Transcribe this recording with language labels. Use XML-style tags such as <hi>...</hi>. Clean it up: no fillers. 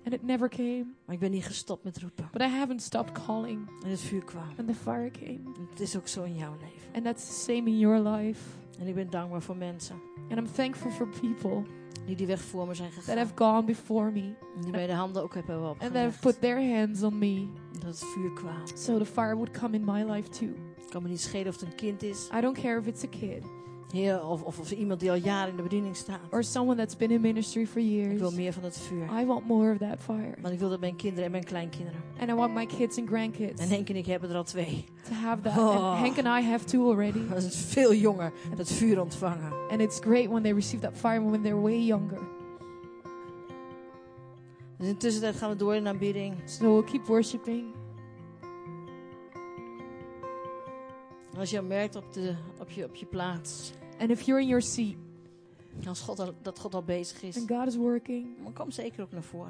<en>And it never came.</en> <nl>Maar ik ben niet gestopt met roepen.</nl> <en>But I haven't stopped calling.</en> <nl>En het vuur kwam.</nl> <en>And the fire came.</en> <nl>En het is ook zo in jouw leven.</nl> <en>And that's the same in your life.</en> <nl>En ik ben dankbaar voor mensen.</nl> <en>And I'm thankful for people.</en> <nl>Die weg voor me zijn gegaan.</nl> <en>That have gone before me.</en> <nl>Die mij de handen ook hebben opgelegd.</nl> <en>And that have put their hands on me.</en> <nl>Dat het vuur kwam.</nl> <en>So the fire would come in my life too.</en> <nl>Kan me niet schelen of het een kind is.</nl> <en>I don't care if it's a kid.</en> <nl>Heer, of iemand die al jaren in de bediening staat.</nl> <en>Or someone that's been in ministry for years.</en> <nl>Ik wil meer van dat vuur.</nl> <en>I want more of that fire.</en> <nl>Want ik wil dat mijn kinderen en mijn kleinkinderen.</nl> <en>And I want my kids and grandkids.</en> <nl>En Henk en ik hebben er al twee.</nl> <en>To have that. Oh. And Henk and I have two already.</en> <nl>Dat is veel jonger dat vuur ontvangen.</nl> <en>And it's great when they receive that fire when they're way younger.</en> <nl>Dus in de tussentijd gaan we door in aanbidding.</nl> <en>So we'll keep worshiping.</en> <nl>Als je merkt op je plaats.</nl> <en>And if you're in your seat.</en> <nl>Als God dat God al bezig is.</nl> <en>And God is working.</en> <nl>Maar kom zeker ook naar voren.</nl>